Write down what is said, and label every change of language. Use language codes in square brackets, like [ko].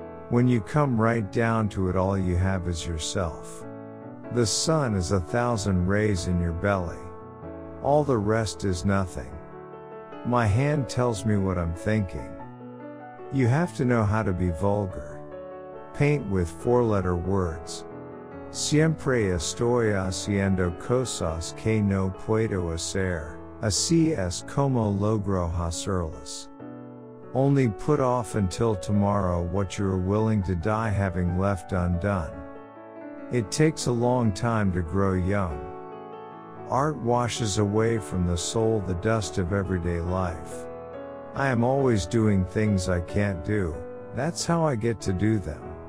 [en] When you come right down to it, all you have is yourself. The sun is 1,000 rays in your belly. All the rest is nothing. My hand tells me what I'm thinking. You have to know how to be vulgar. Paint with four-letter words. [es] Siempre estoy haciendo cosas que no puedo hacer, así es como logro hacerlas. [en] Only put off until tomorrow what you are willing to die having left undone. It takes a long time to grow young. Art washes away from the soul the dust of everyday life. I am always doing things I can't do, that's how I get to do them.